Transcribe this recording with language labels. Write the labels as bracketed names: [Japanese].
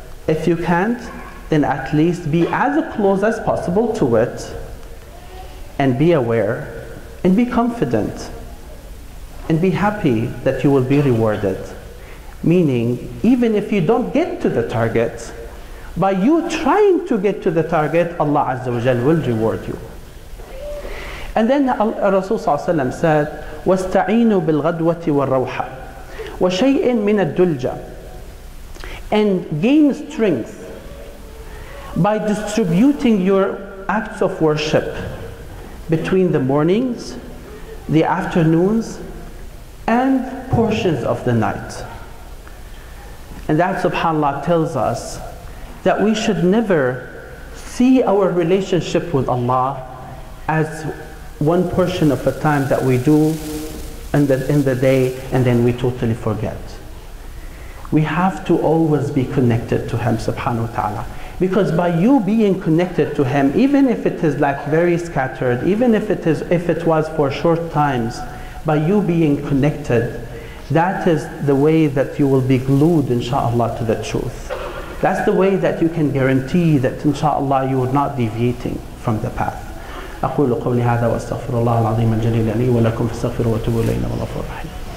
[English] If you can't, then at least be as close as possible to it, and be aware, and be confident, and be happy that you will be rewarded. Meaning, even if you don't get to the target, by you trying to get to the target, Allah Azza wa Jal will reward you. And then Rasul ﷺ said, [Arabic] وَاسْتَعِينُوا بِالْغَدْوَةِ وَالْرَوْحَةِ وَشَيْءٍ مِنَ الدُّلْجَةِ. [English] and gain strength by distributing your acts of worship between the mornings, the afternoons, and portions of the night. And that, subhanAllah, tells us that we should never see our relationship with Allah as one portion of the time that we do in the day, and then we totally forget. We have to always be connected to Him, subhanahu wa ta'ala. Because by you being connected to Him, even if it is like very scattered, even if it was for short times, by you being connected, that is the way that you will be glued, inshaAllah, to the truth. That's the way that you can guarantee that, inshaAllah, you are not deviating from the path. [Arabic] أقول قولي هذا وأستغفر الله العظيم الجليل لي ولكم فاستغفروا وتوبوا إليه إنه الغفور الرحيم.